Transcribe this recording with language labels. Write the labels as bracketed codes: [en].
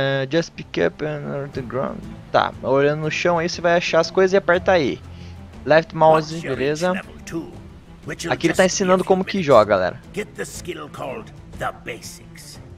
[en] Just pick up under the ground. [pt] Tá, olhando no chão aí você vai achar as coisas e aperta aí. Left mouse, beleza. Aqui ele tá ensinando como que joga, galera. [en] Get the skill called the basics.